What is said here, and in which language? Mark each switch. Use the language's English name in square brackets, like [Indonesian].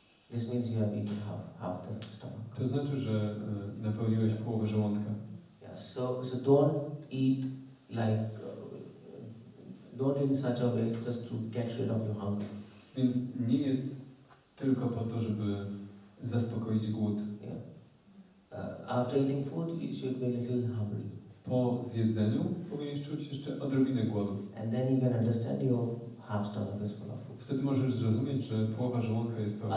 [English] This means you have eaten half the stomach. [Polish] To znaczy, że napełniłeś połowę żołądka. [English] Yeah, so don't eat like, not in such a way just to get rid of your hunger. [Polish] Więc nie jest tylko po to, żeby zaspokoić głód. [English] After eating food, you should be a little hungry. [Polish] Po zjedzeniu powinieneś czuć jeszcze odrobinę głodu. [English] And then you can understand your half stomach is full of food. [Polish] Wtedy możesz zrozumieć, że połowa żołądka jest pełna.